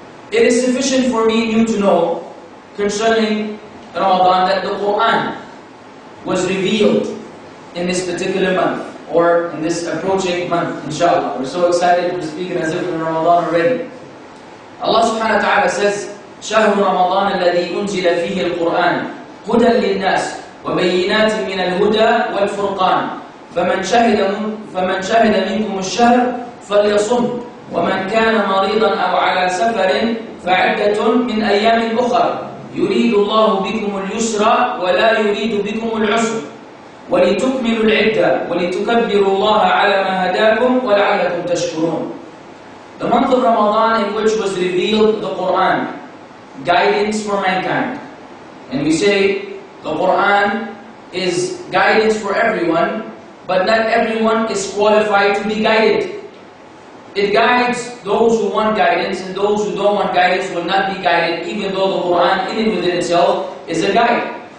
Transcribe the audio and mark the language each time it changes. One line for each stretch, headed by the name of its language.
English: It is sufficient for me and you to know concerning Ramadan that the Quran was revealed in this particular month, or in this approaching month, inshallah. We're so excited, we're speaking as if we're in Ramadan already.
Arabic: Allah subhanahu wa ta'ala says, شهر رمضان الذي أنزل فيه القرآن هدى للناس وبينات من الهدى والفرقان فمن شهد منكم الشهر فليصم ومن كان مريضا أو على سفر فعدة من أيام أخر يريد الله بكم اليسر ولا يريد بكم العسر وَلِتُكْمِلُوا الْعِدَّةِ وَلِتُكَبِّرُوا اللَّهَ عَلَى مَا هَدَاكُمْ وَلَعَلَّكُمْ تَشْكُرُونَ.
English: The month of Ramadan in which was revealed the Qur'an, guidance for mankind. And we say the Qur'an is guidance for everyone, but not everyone is qualified to be guided. It guides those who want guidance, and those who don't want guidance will not be guided, even though the Qur'an in and within itself is a guide.